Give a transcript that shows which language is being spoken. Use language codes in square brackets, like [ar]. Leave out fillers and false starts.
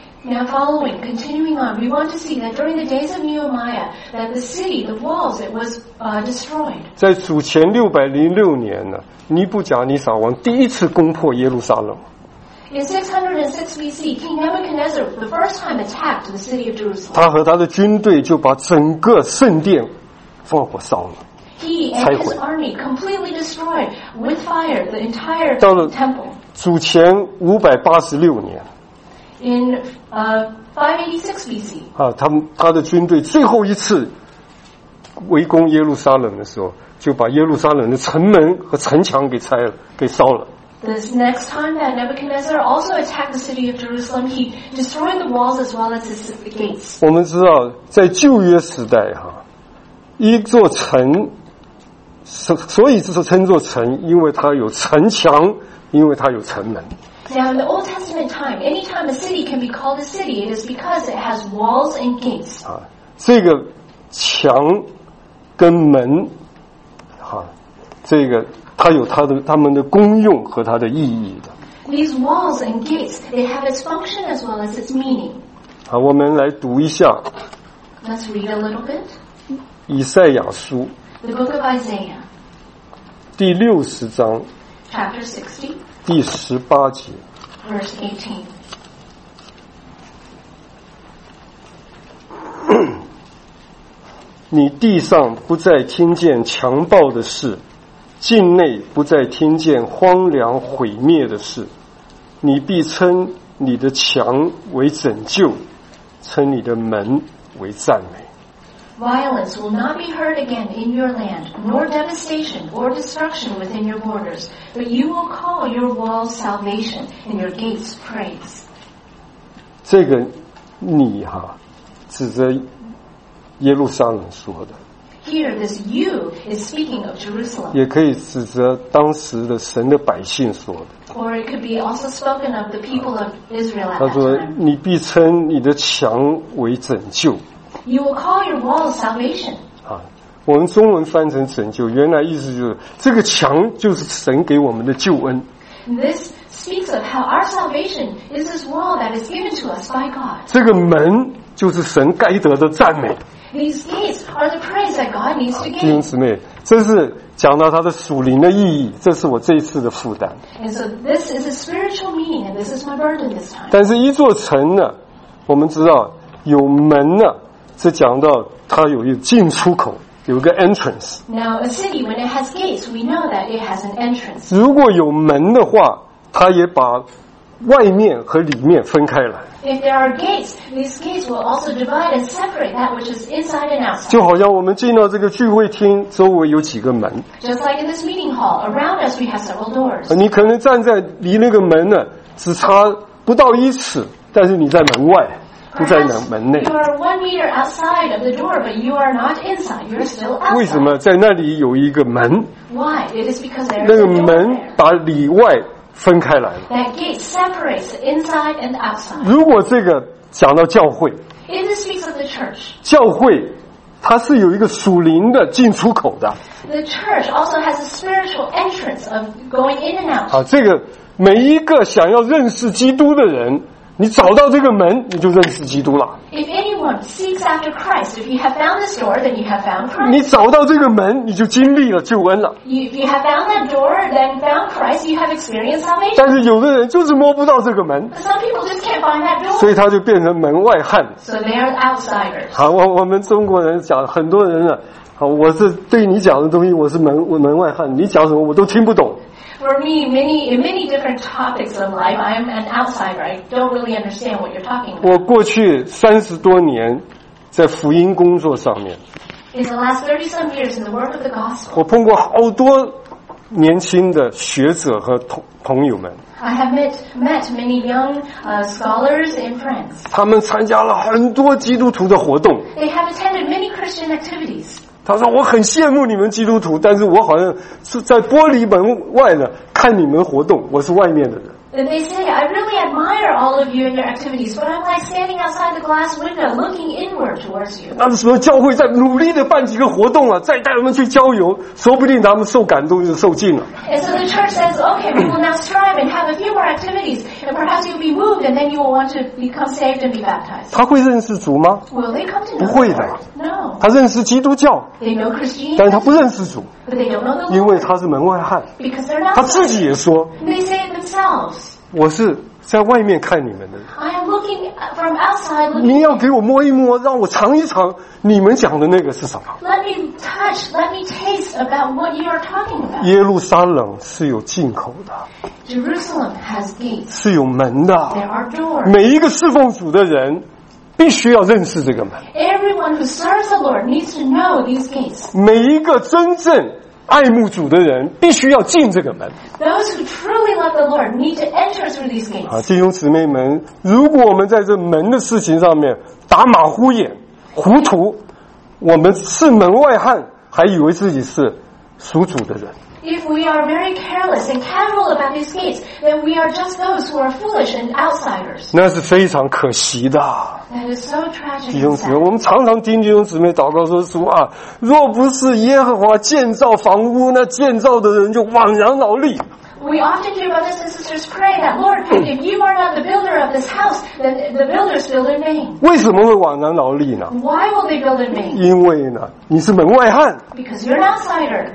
[en] Now following, continuing on, we want to see that during the days of Nehemiah, that the city, the walls, it was destroyed. [zh] 在主前606年呢，尼布甲尼撒王第一次攻破耶路撒冷。 [en] In 606 BC, King Nebuchadnezzar, the first time, attacked the city of Jerusalem. [zh] 他和他的军队就把整个圣殿放火烧了。 [en] He and his army completely destroyed with fire the entire temple. [zh] 到了主前586年。 [en] In 586 BC, [zh] 他的军队最后一次围攻耶路撒冷的时候，就把耶路撒冷的城门和城墙给拆了，给烧了。 [en] This next time that Nebuchadnezzar also attacked the city of Jerusalem, he destroyed the walls as well as the gates. [zh] 我们知道，在旧约时代一座城，所以这是称作城，因为它有城墙，因为它有城门。 [en] Now in the Old Testament time, any time a city can be called a city, it is because it has walls and gates. [zh] 这个墙跟门，这个它有它的它们的功用和它的意义的。 [en] These walls and gates, they have its function as well as its meaning. [zh] 我们来读一下。 [en] Let's read a little bit. [zh] 以赛亚书。 [en] The Book of Isaiah. [zh] 第六十章。 [en] Chapter 60. [zh] 第十八节 [en] ，Verse 18 [zh] 你地上不再听见强暴的事，境内不再听见荒凉毁灭的事，你必称你的墙为拯救，称你的门为赞美。 [en] Violence will not be heard again in your land, nor devastation or destruction within your borders, but you will call your walls salvation and your gates praise. [zh] 这个你指着耶路撒冷说的。 [en] Here, this you is speaking of Jerusalem. [zh] 也可以指着当时的神的百姓说的。 [en] Or it could be also spoken of the people of Israel at that time. [zh] 他说，你必称你的墙为拯救。 [en] You will call your walls salvation. [zh] 我们中文翻成拯救，原来意思就是这个墙就是神给我们的救恩。 [en] This speaks of how our salvation is this wall that is given to us by God. [zh] 这个门就是神该得的赞美。 [en] These gates are the praise that God needs to gain. [zh] 弟兄姊妹，这是讲到它的属灵的意义，这是我这一次的负担。 [en] And so this is a spiritual meaning, and this is my burden this time. [zh] 但是一座城呢，我们知道有门呢。是讲到它有一个进出口，有一个 entrance。 [en] Now a city when it has gates, we know that it has an entrance. [zh] 如果有门的话，它也把外面和里面分开来。 [en] If there are gates, these gates will also divide and separate that which is inside and outside. [zh] 就好像我们进到这个聚会厅，周围有几个门。 [en] Just like in this meeting hall, around us we have several doors. [zh] 你可能站在离那个门呢，只差不到一尺，但是你在门外。不在门内。 [en] You are 1 meter outside of the door, but you are not inside. You are still outside. [zh] 为什么在那里有一个门 [en] ？Why? It is because there is a door. [zh] 那个门把里外分开来了。 [en] That gate separates inside and outside. [zh] 如果这个讲到教会 [en] ，It speaks of the church. [zh] 教会它是有一个属灵的进出口的。 [en] The church also has a spiritual entrance of going in and out. [zh] 好，这个每一个想要认识基督的人。你找到这个门，你就认识基督了。 [en] If anyone seeks after Christ, if you have found this door, then you have found Christ. [zh] 你找到这个门，你就经历了救恩了。 [en] If you have found that door, then found Christ, you have experienced salvation. [zh] 但是有的人就是摸不到这个门。 [en] But some people just can't find that door. [zh] 所以他就变成门外汉。 [en] So they are outsiders. [zh] 好，我们中国人讲很多人啊，好，我是对你讲的东西，我是门外汉，你讲什么我都听不懂。 [en] For me, in many different topics of life, I'm an outsider. I don't really understand what you're talking about. [zh] 我过去三十多年在福音工作上面。 [en] In the last 30-some years in the work of the gospel. [zh] 我碰过好多年轻的学者和朋友们。 [en] I have met many young scholars and friends. [zh] 他们参加了很多基督徒的活动。 [en] They have attended many Christian activities. [zh] 他说我很羡慕你们基督徒，但是我好像是在玻璃门外呢看你们活动，我是外面的人。 [en] And they say, I really admire all of you and your activities, but I'm like standing outside the glass window, looking inward towards you. [zh] 那时候教会在努力的办几个活动啊，再带他们去郊游，说不定他们受感动就受浸了。 [en] And so the church says, okay, we will now strive and have a few more activities, and perhaps you'll be moved, and then you will want to become saved and be baptized. [zh] 他会认识主吗 [en] ？Will they come to know? [zh] 不会的。 [en] No. [zh] 他认识基督教。 [en] They know Christianity. [zh] 但他不认识主。 [en] But they don't know the Lord. [zh] 因为他是门外汉。 [en] Because they're not. [zh] 他自己也说。 [en] They say it themselves. [zh] 我是在外面看你们的。 [en] I am looking from outside. [zh] 你要给我摸一摸，让我尝一尝你们讲的那个是什么。 [en] Let me touch, let me taste about what you are talking about. [zh] 耶路撒冷是有进口的。 [en] Jerusalem has gates. [zh] 是有门的。 [en] There are doors. [zh] 每一个侍奉主的人必须要认识这个门。 [en] Everyone who serves the Lord needs to know these gates. [zh] 每一个真正爱慕主的人必须要进这个门。 [en] Those who truly love the Lord need to enter through these gates. [zh] 弟兄姊妹们，如果我们在这门的事情上面打马虎眼、糊涂，我们是门外汉，还以为自己是属主的人。 [en] If we are very careless and casual about these gates, then we are just those who are foolish and outsiders. [zh] 那是非常可惜的。 [en] That is so tragic. [zh] 我们常常听弟兄姊妹祷告说主啊，若不是耶和华建造房屋，那建造的人就枉然劳力。 [en] We often hear brothers and sisters pray that Lord, if you are not the builder of this house, then the builders build in vain. [zh] 为什么会枉然劳力呢 [en] ？Why will they build in vain? [zh] 因为呢，你是门外汉。 [en] Because you're an outsider.